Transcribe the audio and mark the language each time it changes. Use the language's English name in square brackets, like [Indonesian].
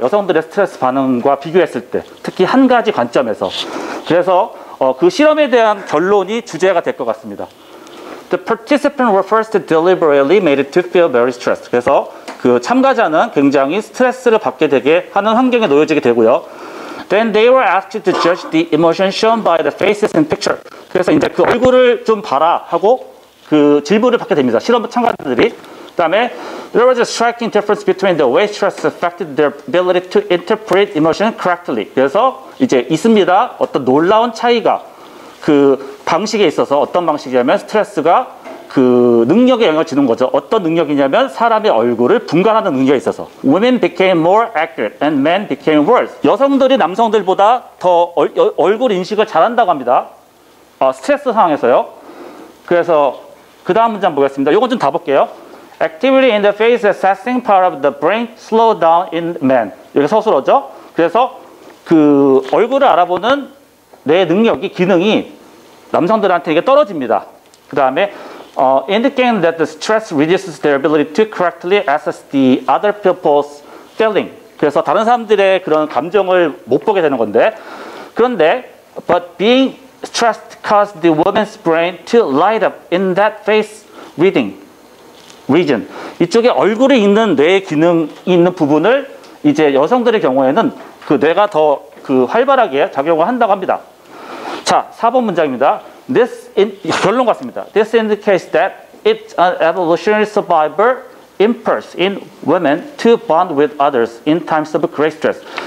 [Korean] 여성들의 스트레스 반응과 비교했을 때, 특히 한 가지 관점에서. 그래서 그 실험에 대한 결론이 주제가 될 것 같습니다. [English] The participants were first deliberately made it to feel very stressed. [Korean] 그래서 그 참가자는 굉장히 스트레스를 받게 되게 하는 환경에 놓여지게 되고요. [English] Then they were asked to judge the emotion shown by the faces in picture. [Korean] 그래서 이제 그 얼굴을 좀 봐라 하고 그 질문을 받게 됩니다. 실험 참가자들이. 그 다음에 [English] There was a striking difference between the way stress affected their ability to interpret emotion correctly. [Korean] 그래서 이제 있습니다. 어떤 놀라운 차이가 그 방식에 있어서 어떤 방식이냐면 스트레스가 그 능력에 영향을 주는 거죠. 어떤 능력이냐면 사람의 얼굴을 분간하는 능력에 있어서 [English] Women became more accurate and men became worse. [Korean] 여성들이 남성들보다 더 얼굴 인식을 잘한다고 합니다. 스트레스 상황에서요. 그래서 그 다음 문장 보겠습니다. 이건 좀 다 볼게요. [English] Activity in the face assessing part of the brain slowed down in men. [Korean] 이렇게 서술어죠. 그래서 그 얼굴을 알아보는 뇌 능력이 기능이 남성들한테 이게 떨어집니다. 그 다음에 [English] indicating that the stress reduces their ability to correctly assess the other people's feeling. [Korean] 그래서 다른 사람들의 그런 감정을 못 보게 되는 건데 그런데 [English] but being stressed caused the woman's brain to light up in that face reading. region. [Korean] 이쪽에 얼굴에 있는 뇌의 기능이 있는 부분을 이제 여성들의 경우에는 그 뇌가 더 그 활발하게 작용을 한다고 합니다. 자, 4번 문장입니다. [English] This in, [Korean] 결론 같습니다. [English] This indicates that it's an evolutionary survival impulse in women to bond with others in times of great stress.